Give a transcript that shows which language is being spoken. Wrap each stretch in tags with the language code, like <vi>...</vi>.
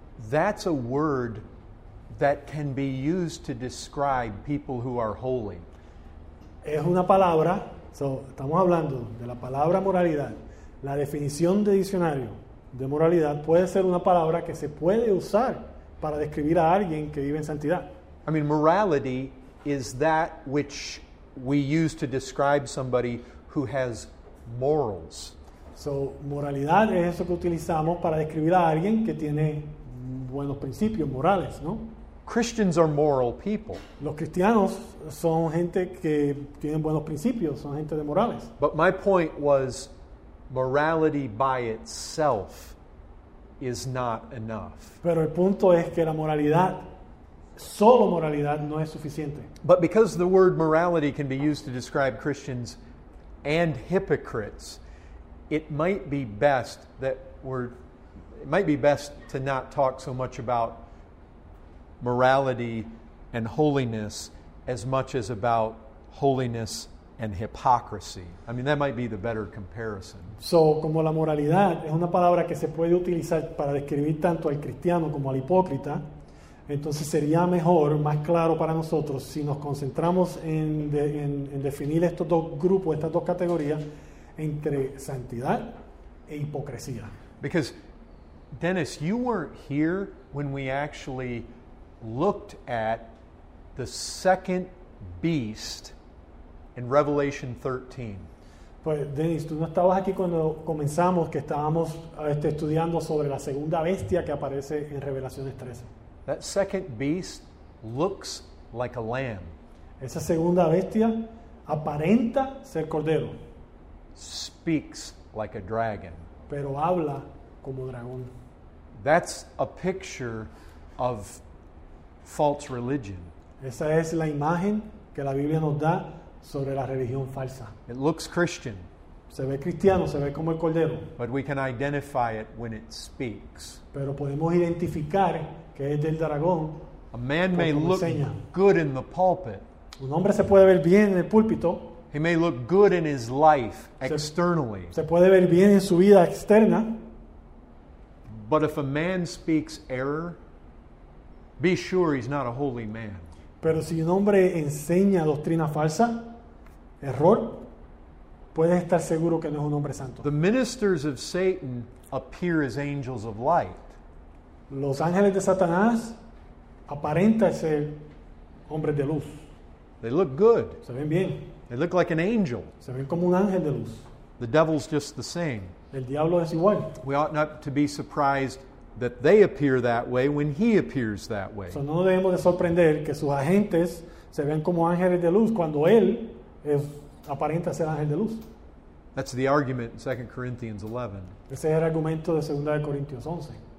<en>That's a word that can be used to describe people who are holy.</en> <es>Es una palabra. Estamos hablando de la palabra moralidad. La definición de diccionario de moralidad puede ser una palabra que se puede usar para describir a alguien que vive en santidad.</es> <en>I mean, morality is that which we use to describe somebody who has morals.</en> <es>So, moralidad es eso que utilizamos para describir a alguien que tiene buenos principios morales, ¿no?</es> <en>Christians are moral people.</en> <es>Los cristianos son gente que tienen buenos principios, son gente de morales.</es> <en>But my point was, morality by itself is not enough.</en> <es>Pero el punto es que la moralidad, solo moralidad, no es suficiente.</es> <en>But because the word morality can be used to describe Christians and hypocrites, it might be best to not talk so much about morality and holiness as much as about holiness and hypocrisy. I mean, that might be the better comparison.</en> <es>So, como la moralidad es una palabra que se puede utilizar para describir tanto al cristiano como al hipócrita, entonces sería mejor, más claro para nosotros, si nos concentramos en definir estos dos grupos, estas dos categorías, entre santidad e hipocresía.</es> <en>Because, Dennis, you weren't here when we actually looked at the second beast in Revelation 13.</en> <es>Pues, Dennis, tú no estabas aquí cuando comenzamos, que estábamos estudiando sobre la segunda bestia que aparece en Revelaciones 13.</es> <en>That second beast looks like a lamb.</en> <es>Esa segunda bestia aparenta ser cordero.</es> <en>Speaks like a dragon.</en> <es>Pero habla como dragón.</es> <en>That's a picture of false religion.</en> <es>Esa es la imagen que la Biblia nos da sobre la religión falsa.</es> <en>It looks Christian.</en> <es>Se ve cristiano, se ve como el cordero.</es> <en>But we can identify it when it speaks.</en> <es>Pero podemos identificar que es del dragón.</es> <en>A man may look good in the pulpit.</en> <es>Un hombre se puede ver bien en el púlpito.</es> <en>He may look good in his life externally.</en> <es>Se puede ver bien en su vida externa.</es> <en>But if a man speaks error, be sure he's not a holy man.</en> <es>Pero si un hombre enseña doctrina falsa, error, puedes estar seguro que no es un hombre santo.</es> <en>The ministers of Satan appear as angels of light.</en> <es>Los ángeles de Satanás aparentan ser hombres de luz.</es> <en>They look good.</en> <es>Se ven bien.</es> <en>They look like an angel.</en> <es>Se ven como un ángel de luz.</es> <en>The devil's just the same.</en> <es>El diablo es igual.</es> <en>We ought not to be surprised that they appear that way when he appears that way.</en> <es>So no debemos de sorprender que sus agentes se ven como ángeles de luz cuando él es, aparenta ser ángel de luz.</es> <en>That's the argument in 2 Corinthians 11.</en> <es>Ese es el argumento de 2 Corintios 11.</es>